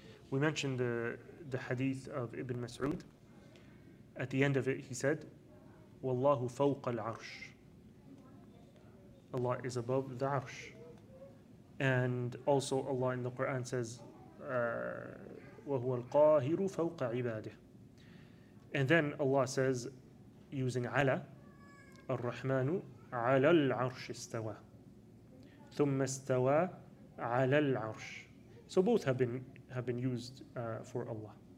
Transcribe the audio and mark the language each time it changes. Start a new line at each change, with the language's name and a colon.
English: We mentioned the hadith of Ibn Mas'ud. At the end of it, he said,
Arabic: Wallahu fawq al-arsh.
English: Allah is above the arsh. And also Allah in the Quran says,
Arabic: وَهُوَ الْقَاهِرُ فَوْقَ عِبَادِهِ.
English: And then Allah says, using
Arabic: عَلَى, الرَّحْمَنُ عَلَى الْعَرْشِ اسْتَوَى ثُمَّ اسْتَوَى عَلَى الْعَرْشِ.
English: So both have been used for Allah.